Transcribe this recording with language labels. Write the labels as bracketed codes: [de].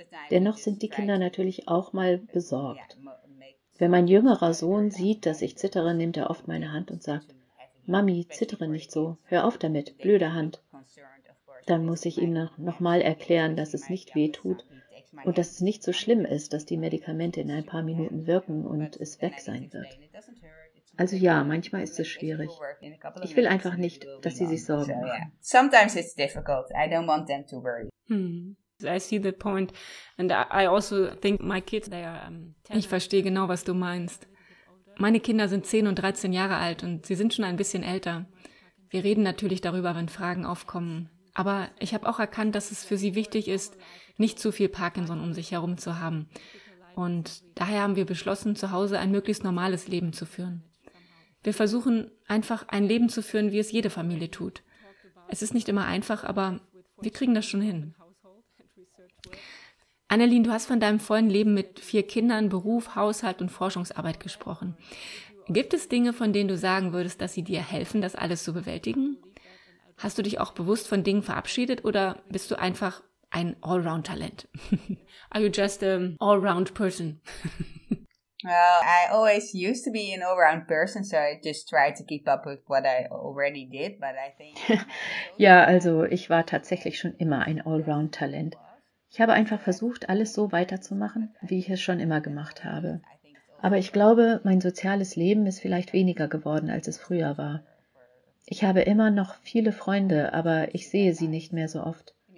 [de] Dennoch sind die Kinder natürlich auch mal besorgt. Wenn mein jüngerer Sohn sieht, dass ich zittere, nimmt er oft meine Hand und sagt, Mami, zittere nicht so, hör auf damit, blöde Hand. Dann muss ich ihm nochmal erklären, dass es nicht weh tut und dass es nicht so schlimm ist, dass die Medikamente in ein paar Minuten wirken und es weg sein wird. Also ja, manchmal ist es schwierig. Ich will einfach nicht, dass sie sich Sorgen machen. [en] Sometimes it's difficult. I don't want them to worry. I see the point. And I also think my kids, they are 10. [de] Ich verstehe genau, was du meinst. Meine Kinder sind 10 und 13 Jahre alt und sie sind schon ein bisschen älter. Wir reden natürlich darüber, wenn Fragen aufkommen. Aber ich habe auch erkannt, dass es für sie wichtig ist, nicht zu viel Parkinson um sich herum zu haben. Und daher haben wir beschlossen, zu Hause ein möglichst normales Leben zu führen. Wir versuchen einfach, ein Leben zu führen, wie es jede Familie tut. Es ist nicht immer einfach, aber wir kriegen das schon hin. Annelien, du hast von deinem vollen Leben mit 4 Kindern, Beruf, Haushalt und Forschungsarbeit gesprochen. Gibt es Dinge, von denen du sagen würdest, dass sie dir helfen, das alles zu bewältigen? Hast du dich auch bewusst von Dingen verabschiedet oder bist du einfach ein Allround-Talent? [en] Are you just an Allround person? Well, I always used to be an Allround person, so I just tried to keep up with what I already did, but I think... [de] Ja, also ich war tatsächlich schon immer ein Allround Talent. Ich habe einfach versucht, alles so weiterzumachen, wie ich es schon immer gemacht habe. Aber ich glaube, mein soziales Leben ist vielleicht weniger geworden, als es früher war. Ich habe immer noch viele Freunde, aber ich sehe sie nicht mehr so oft.